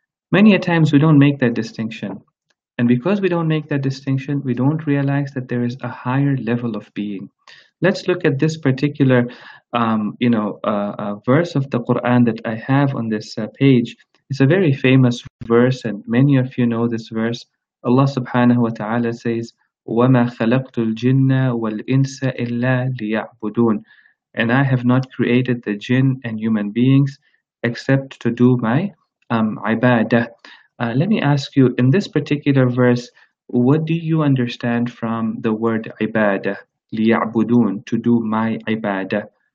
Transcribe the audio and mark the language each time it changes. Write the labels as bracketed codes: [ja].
[en] Many a times we don't make that distinction. And because we don't make that distinction, we don't realize that there is a higher level of being. Let's look at this particular verse of the Quran that I have on this page. It's a very famous verse, and many of you know this verse. Allah subhanahu wa ta'ala says, [ar] وَمَا خَلَقْتُ الْجِنَّ وَالْإِنسَ إِلَّا لِيَعْبُدُونَ. [en] And I have not created the jinn and human beings except to do my ibadah. Let me ask you, in this particular verse, what do you understand from the word ibadah, لِيَعْبُدُونَ, to do my ibadah?